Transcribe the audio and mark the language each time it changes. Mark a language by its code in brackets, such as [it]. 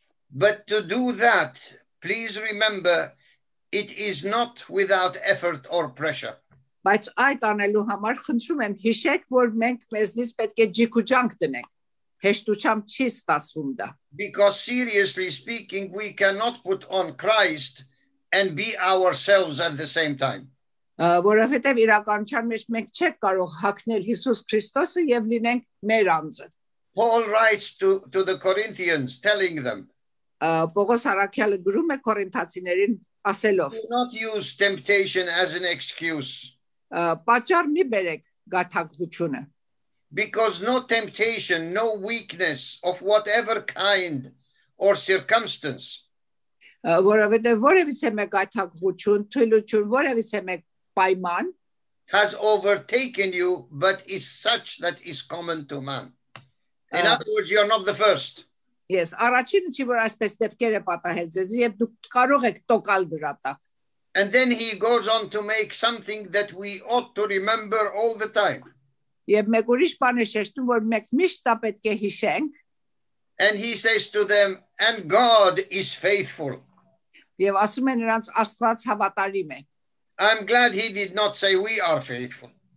[en] But to do that, please remember, it is not without effort or pressure. Because seriously speaking, we cannot put on Christ and be ourselves at the same time. [hy] Որովհետև իրականության մեջ մենք չենք կարող հագնել Հիսուս Քրիստոսը եւ լինենք մեր անձը. [en] Paul writes to the Corinthians telling them. [hy] Պողոս հարակյալը գրում է Կորինթացիներին ասելով. [en] Do not use temptation as an excuse. [hy] Պատճառ մի բերեք գաթակղությունը. [en] Because no temptation, no weakness of whatever kind or circumstance. [hy] Որովհետև որևիցե մեկ գաթակղություն, թույլություն, որևիցե մեկ պայման [en] has overtaken you, but is such that is common to man. In other words, you are not the first. [hy] Yes, առաջինը չի որ այսպես դեպքերը պատահել ձեզ, եւ դուք կարող եք տոկալ դրա տակ. [en] And then he goes on to make something that we ought to remember all the time. [hy] Եվ մեկ ուրիշ բան է շեշտում, որ մենք միշտ պետք է հիշենք. [en] And he says to them, and God is faithful. [hy] Եվ ասում է նրանց, Աստված հավատարիմ է. [en] I'm glad he did not say we are faithful.